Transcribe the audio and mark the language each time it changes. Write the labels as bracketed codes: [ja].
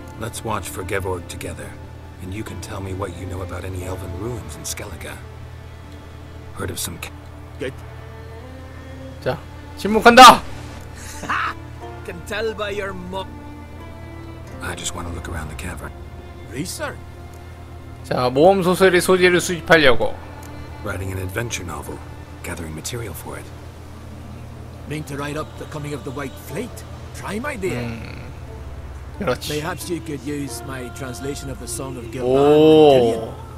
[en] let's watch for Geborg together, and you can tell me what you know about any elven ruins in Skellige. Heard of some? Good. [ko] 자, 침묵한다. [en] Can tell by your mug. I just want to look around the cavern. Research. [ko] 자, 모험 소설의 소재를 수집하려고. [en] Writing an adventure novel, gathering material for it. Mean to write up the coming of the White Fleet. Try my dear. [ko] 그렇지. [en] Perhaps you could use my translation of the Song of Gilman and Gideon.